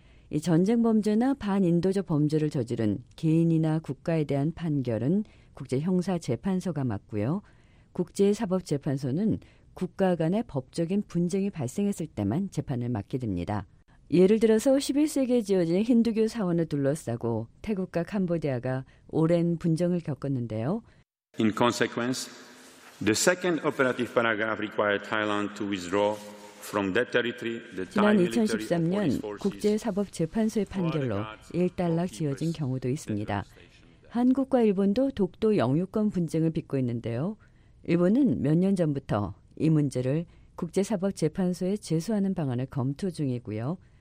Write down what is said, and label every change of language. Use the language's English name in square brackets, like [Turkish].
[Korean] 이 전쟁 범죄나 반인도적 범죄를 저지른 개인이나 국가에 대한 판결은 국제형사재판소가 맞고요. 국제사법재판소는 국가 간의 법적인 분쟁이 발생했을 때만 재판을 맡게 됩니다. 예를 들어서 11세기에 지어진 힌두교 사원을 둘러싸고 태국과 캄보디아가 오랜 분쟁을 겪었는데요. [English] In consequence, the second operative paragraph required Thailand to withdraw from that territory. [Korean] 지난 2013년 국제사법재판소의 판결로 일단락 지어진 경우도 있습니다. 한국과 일본도 독도 영유권 분쟁을 빚고 있는데요. 일본은 몇 년 전부터 이 문제를 국제사법재판소에 제소하는 방안을 검토 중이고요.